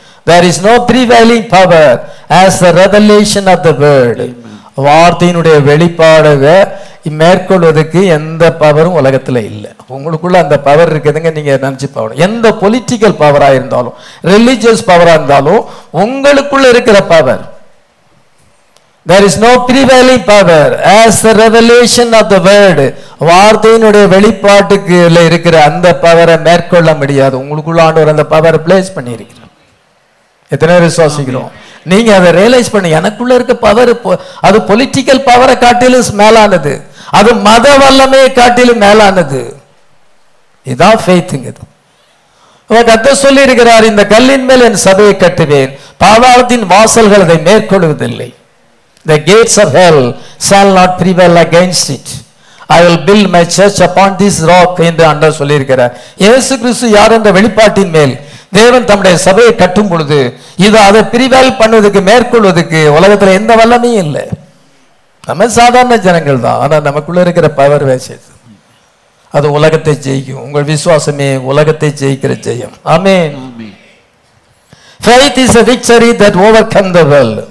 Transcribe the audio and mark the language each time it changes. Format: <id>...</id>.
<en>There is no prevailing power as the revelation of the word.</en> <ta>வார்த்தையினுடைய வெளிப்பாடுகள் மேற்கொள்வதற்கு எந்த பவரும் உலகத்துல இல்லை. உங்களுக்குள்ள அந்த பவர் இருக்குதுங்க. நீங்க நினைச்சு பவரும், எந்த பொலிட்டிக்கல் பவரா இருந்தாலும் ரிலிஜியஸ் பவரா இருந்தாலும் உங்களுக்குள்ள இருக்கிற power.</ta> <en>There is no prevailing power as the revelation of the word.</en> <ta>வார்த்தையினுடைய வெளிப்பாட்டுக்குள்ள இருக்கிற அந்த பவரை மேற்கொள்ள முடியாது. உங்களுக்குள்ள ஆண்டவர் அந்த பவரை பிளேஸ் பண்ணி இருக்கிறார். எத்தனை விசுவாசிக்கிறோம்? நீங்க அதை ரியலைஸ் பண்ணி, எனக்குள்ள இருக்க பவர் அது பொலிட்டிக்கல் பவரை காட்டிலும் மேலானது, அது மத வல்லமையை காட்டிலும் மேலானது. இதுதான் ஃபெய்த்ங்கிறது. கர்த்தர் சொல்லி இருக்கிறார், இந்த கல்லின் மேல் என் சபையை கட்டுவேன், பாதாளத்தின் வாசல்கள் அதை மேற்கொள்வதில்லை.</ta> <en>The gates of hell shall not prevail against it. I will build my church upon this rock</en> <ta>என்று ஆண்டவர் சொல்லியிருக்கிறார். இயேசு கிறிஸ்து யார் என்ற வெளிப்பாட்டின் மேல் தேவன் தம்முடைய சபையை கட்டும் பொழுது, இது அதை பிரிவால் பண்ணுவதற்கு மேற்கொள்வதற்கு உலகத்துல எந்த வல்லமையும் இல்லை. நம்ம சாதாரண ஜனங்கள் தான். ஆனா நமக்குள்ள இருக்கிற பவர் வேசது அது உலகத்தை ஜெயிக்கும். உங்கள் விசுவாசமே உலகத்தை ஜெயிக்கிற ஜெயம். ஆமென்.</ta> <en>Faith is a victory that overcomes the world.</en>